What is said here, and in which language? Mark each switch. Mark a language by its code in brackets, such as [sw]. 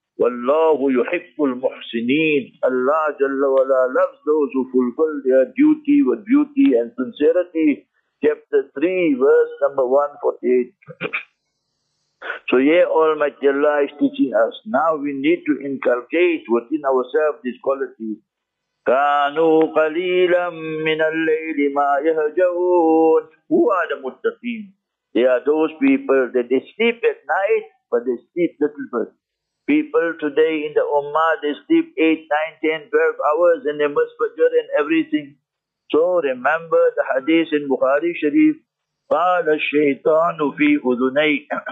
[ar] Wallahu yuhibbul muhsineen. [en] Allah Jalla wa Ala loves those who fulfill their duty with beauty and sincerity. Chapter 3, verse number 148. So yeah, Almighty Allah is teaching us. Now we need to inculcate within ourselves this quality. [ar] كانوا قليلا من الليل ما يهجعون. [en] Who are the muttaqeen? They are those people that they sleep at night, but they sleep little bit. People today in the Ummah, they sleep 8, 9, 10, 12 hours and they must fajr and everything. So remember the hadith in Bukhari Sharif. [ar] قال الشيطان في أذني.